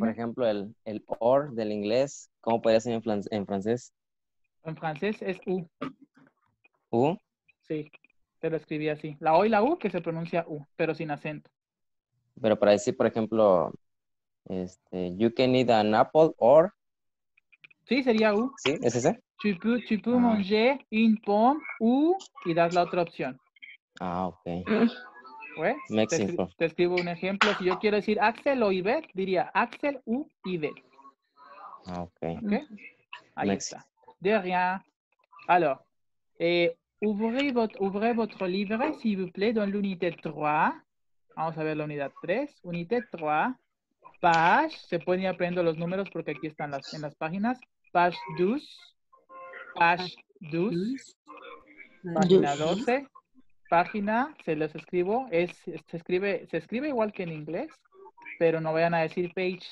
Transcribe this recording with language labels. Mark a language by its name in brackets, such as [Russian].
[Spanish] Por ejemplo, el or del inglés, ¿cómo podría ser en francés? En francés es U. ¿U? Sí, te lo escribí así. La O y la U que se pronuncia U, pero sin acento. Pero para decir, por ejemplo, [English] you can eat an apple or... [Spanish] Sí, sería U. ¿Sí? ¿Es ese? [French] Tu peux manger une pomme U [Spanish] y das la otra opción. Ah, ok. Pues, Mexico. Te escribo un ejemplo. Si yo quiero decir Axel o Ivette, diría Axel, U, Ivette. Ah, ok. ¿Ok? Ahí Mexico. Está. [French] De rien. Alors, ouvrez votre livre, s'il vous plaît, dans l'unité 3. [Spanish] Vamos a ver la unidad 3. [French] Unité 3. Page. [Spanish] Se pueden ir aprendiendo los números porque aquí están en las páginas. [French] Page 12. Page 12. [Spanish] Página 12. Página, se los escribo. Se escribe igual que en inglés, pero no vayan a decir page.